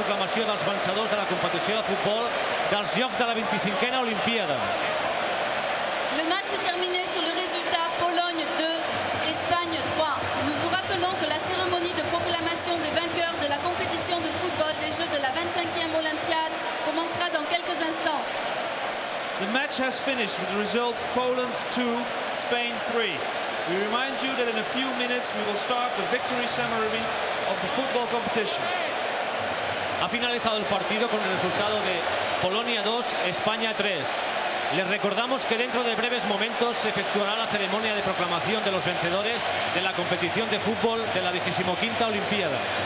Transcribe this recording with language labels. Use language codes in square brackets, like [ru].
[ca] Dels vencedors de la competició de futbol dels jocs de la 25a Olimpíada. [fr] Le match s'est terminé sur le résultat Pologne 2, Espagne 3. Nous vous rappelons que la cérémonie de proclamation des vainqueurs de la compétition de football des jeux de la 25e Olympiade commencera dans quelques instants. [en] The match has finished with the result Poland 2, Spain 3. We remind you that in a few minutes we will start the victory ceremony of the football competition. [es] Ha finalizado el partido con el resultado de Polonia 2, España 3. Les recordamos que dentro de breves momentos se efectuará la ceremonia de proclamación de los vencedores de la competición de fútbol de la 25ª Olimpíada.